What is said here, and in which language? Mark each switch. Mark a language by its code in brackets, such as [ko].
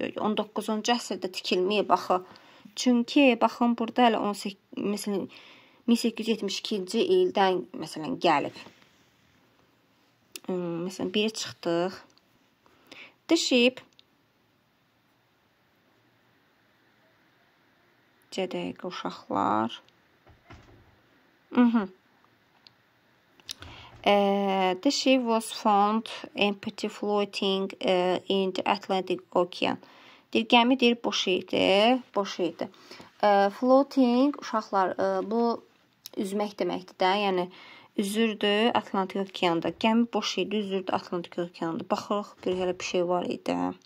[az] 19-cu əsrdə tikilməyə baxı. Çünki baxın burada hələ 18 məsələn 1872-ci ildən məsələn gəlib. Məsələn 1-i çıxdıq. The ship necə deyək uşaqlar? [en] The ship was found empty floating in the Atlantic Ocean. [az] Deyir, gəmi deyir, boş idi. Boş idi. Floating, uşaqlar, bu üzmək deməkdir də. Yəni, üzürdü Atlantik Okeanda. Gəmi boş idi, üzürdü Atlantik Okeanda. Baxırıq, bir hələ bir şey var idi.